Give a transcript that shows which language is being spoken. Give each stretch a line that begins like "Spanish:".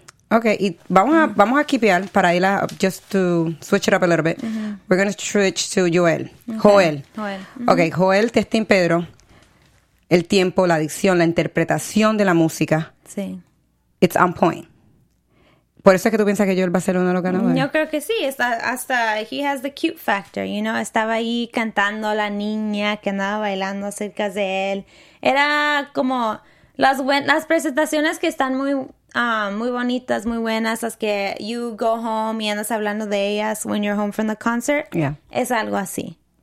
Spanish: Ok, y vamos a kipear para ir a...
English: Just to switch it up a little bit. We're going to switch to Joel. Okay. Joel. Joel. Ok, Joel, Testín Pedro.
Spanish: El tiempo, la dicción, la interpretación de la música. Sí.
English: It's on point.
Spanish: ¿Por eso es que tú piensas que Joel va a ser uno de los ganadores? Yo creo que sí.
English: Hasta he has the cute factor, you know.
Spanish: Estaba ahí cantando la niña que andaba bailando cerca de él. Era como... Las presentaciones que están muy, muy bonitas, muy buenas, las que
English: you go home
Spanish: y andas hablando de ellas
English: when you're home from the concert,
Spanish: es algo así.